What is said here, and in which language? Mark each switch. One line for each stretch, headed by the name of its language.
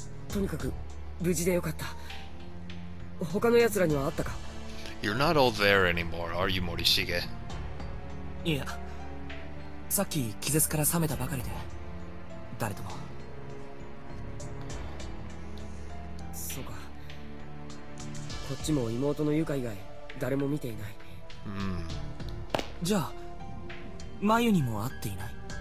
Japanese: とにかく無事でよかった。他の奴らには会ったか。
English: You're not all there anymore, are you, Morishige?
Japanese: いや。さっき気絶から覚めたばかりで。誰とも。そうか。こっちも妹のユカ以外誰も見ていない。じゃあ。Mayu にも会っていない。